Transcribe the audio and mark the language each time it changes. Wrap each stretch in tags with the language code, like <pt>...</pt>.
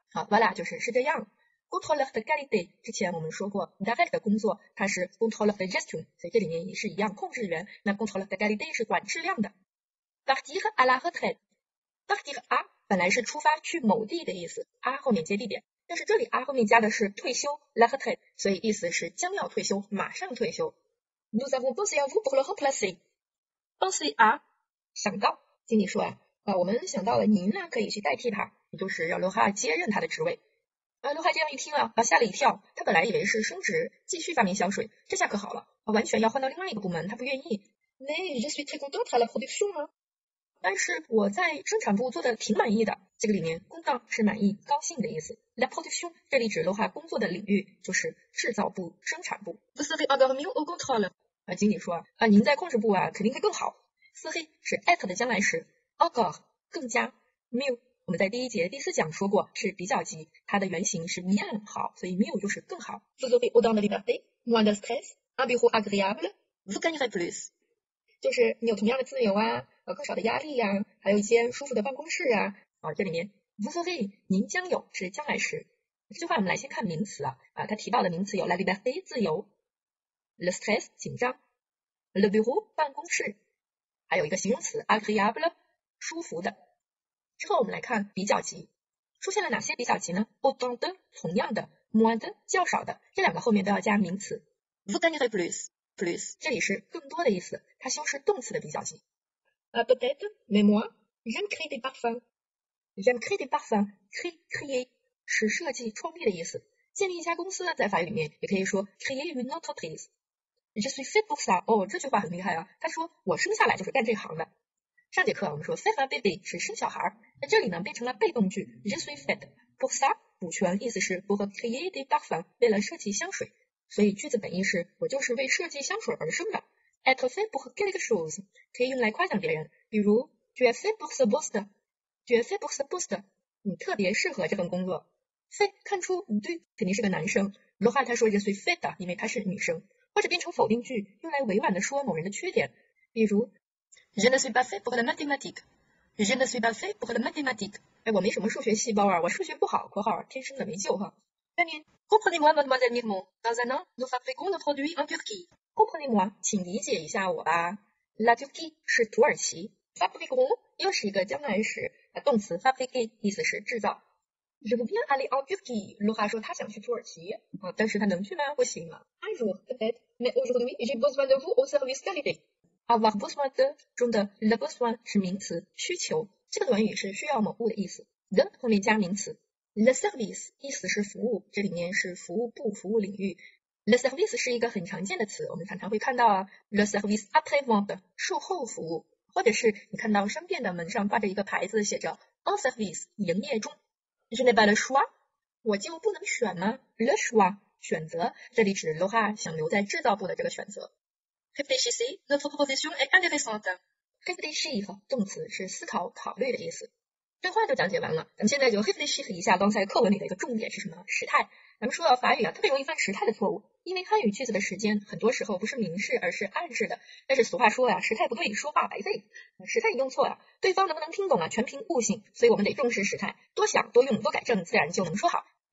<zh>好 ，Voilà 就是这样。Contrôleur de qualité 之前我们说过 ，direct 的工作它是 contrôleur de gestion， 所以这里面也是一样，控制员。那 contrôleur de qualité 是管质量的。</zh> <fr>Partir à la retraite，partir à。</fr> <zh>本来是出发去某地的意思，啊后面接地点，但是这里 R 后面加的是退休 La retraite， 所以意思是将要退休，马上退休。</zh> <fr>Nous avons pensé à vous pour le remplacer. Pensé à</fr> <zh>想到，经理说啊，我们想到了您呢，可以去代替他，也就是让刘哈接任他的职位。刘哈这样一听啊，吓了一跳，他本来以为是升职，继续发明香水，这下可好了，完全要换到另外一个部门，他不愿意。</zh> <fr>Mais je suis très content à la production.</fr> <zh>但是我在生产部做的挺满意的，这个里面content是满意、高兴的意思。 La production 这里指刘哈工作的领域，就是制造部、生产部。</zh> <fr>Vous serez encore mieux au contrôle.</fr> <zh>经理说您在控制部啊，肯定会更好。Serez 是 at 的将来时。 Encore 更加 mieux 我们在第一节第四讲说过是比较级，它的原型是 bien 好，所以 mieux 就是更好。</zh> <fr>Vous aurez autant de liberté, moins de stress, un bureau agréable, vous gagnerez plus.</fr> <zh>就是你有同样的自由啊，更少的压力啊，还有一间舒服的办公室啊。这里面</zh> <fr>vous aurez</fr> <zh>您将有是将来时。这句话我们来先看名词它提到的名词有 la liberté 自由 ，le stress 紧张 ，le bureau 办公室，还有一个形容词 agréable。舒服的。之后我们来看比较级，出现了哪些比较级呢？autant de 同样的， moins de 较少的，这两个后面都要加名词。</zh> <fr>vous gagnerez plus plus</fr> <zh>这里是更多的意思，它修饰动词的比较级。</zh> <fr>peut-être mais moi j'aime créer des parfums. j'aime créer des parfums</fr> <zh>créer 是设计创立的意思，建立一家公司在法语里面也可以说</zh> <fr>créer une entreprise. je suis fait pour ça.</fr> <zh>这句话很厉害啊，他说我生下来就是干这行的。上节课我们说 faire un baby 是生小孩，那这里呢变成了被动句</zh> <fr>je suis fait pour ça</fr> <zh>补全，意思是</zh> <fr>pour créer des parfums</fr> <zh>为了设计香水，所以句子本意是我就是为设计香水而生的。</zh> <fr>être fait pour quelque chose</fr> <zh>可以用来夸奖别人，比如</zh> <fr>tu es fait pour ce poste</fr> <zh>tu es fait pour ce poste 你特别适合这份工作。 fait 看出对肯定是个男生，罗汉他说</zh> <fr>je suis fait</fr> <zh>因为他是女生，或者变成否定句用来委婉的说某人的缺点，比如</zh> <fr>Je ne suis pas fait pour la mathématique. Je ne suis pas fait pour la mathématique.</fr> <zh>我没什么数学细胞啊，我数学不好，括号天生的没救哈。下面</zh> <fr>Comprenez-moi, mademoiselle Mirmont. Dans un an, nous fabriquons nos produits en Turquie. Comprenez-moi,</fr> <zh>请理解一下我吧。La Turquie 是土耳其。 Fabriquons 又是一个将来时，动词 fabriquer 意思是制造。</zh> <fr>Je veux bien aller en Turquie.</fr> <zh>卢哈说他想去土耳其，但是他能去吗？不行啊。</zh> <fr>Un jour, peut-être. Mais aujourd'hui, j'ai besoin de vous au service qualité.</fr> <zh>Avoir besoin de 中的 le besoin 是名词需求，这个短语是需要某物的意思。的后面加名词 le service 意思是服务，这里面是服务部服务领域。 le service 是一个很常见的词，我们常常会看到</zh> <fr>le service après-vente</fr> <zh>售后服务，或者是你看到商店的门上挂着一个牌子写着</zh> <fr>en service</fr> <zh>营业中。</zh> <fr>je n'ai pas le choix</fr> <zh>我就不能选吗？ le choix 选择，这里指罗哈想留在制造部的这个选择。</zh> <fr>Réfléchissez, notre proposition est intéressante.</fr> <zh>Réfléchir, 动词是思考、考虑的意思。对话就讲解完了，咱们现在就 réfléchir 一下刚才课文里的一个重点是什么？时态。咱们说到法语特别容易犯时态的错误，因为汉语句子的时间很多时候不是明示而是暗示的。但是俗话说时态不对，说话白费。时态用错了，对方能不能听懂全凭悟性，所以我们得重视时态，多想、多用、多改正，自然就能说好。</zh>